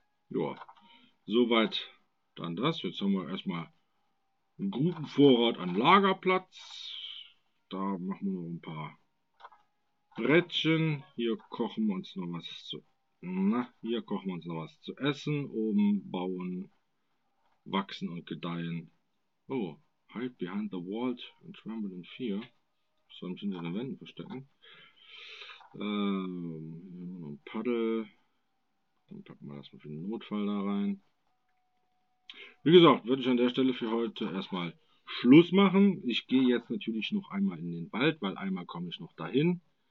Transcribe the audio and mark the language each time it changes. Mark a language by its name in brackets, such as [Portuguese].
[German] Ja, soweit dann das. Jetzt haben wir erstmal einen guten Vorrat an Lagerplatz. Da machen wir noch ein paar Brettchen. Hier kochen wir uns noch was zu. Na, hier kochen wir uns noch was zu essen. Oben bauen, wachsen und gedeihen. [English] Oh, hide behind the walls and tremble in fear. [German] Sollen wir uns hinter den Wänden verstecken? Noch ein Paddel. Dann packen wir das mal für den Notfall da rein. Wie gesagt, würde ich an der Stelle für heute erstmal Schluss machen. Ich gehe jetzt natürlich noch einmal in den Wald, weil einmal komme ich noch dahin.